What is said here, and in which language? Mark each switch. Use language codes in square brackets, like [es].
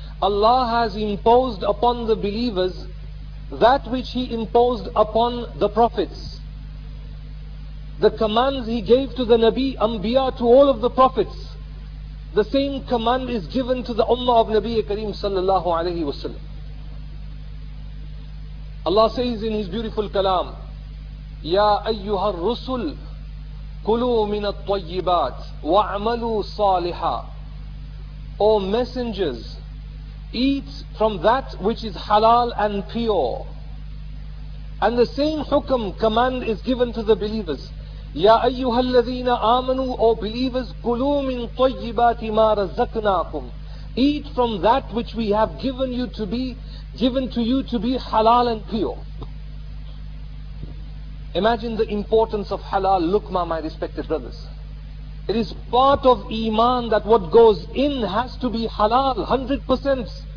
[en] Allah has imposed upon the believers that which He imposed upon the prophets. The commands He gave to the Nabi, Anbiya, to all of the prophets, the same command is given to the Ummah of Nabi Kareem sallallahu alayhi wa sallam. Allah says in His beautiful kalam, [ar] يَا أَيُّهَا الرُّسُلْ كُلُوا مِنَ الطَّيِّبَاتِ وَعْمَلُوا صَالِحًا. [en] O messengers, eat from that which is halal and pure. And the same hukam, command, is given to the believers. [ar] يَا أَيُّهَا الَّذِينَ آمَنُوا. [en] O believers, [ar] كُلُوا مِنْ طَيِّبَاتِ مَا رَزَّقْنَاكُمْ. [en] Eat from that which we have given you to be, given to you to be halal and pure. Imagine the importance of halal luqma, my respected brothers. It is part of iman that what goes in has to be halal, 100%.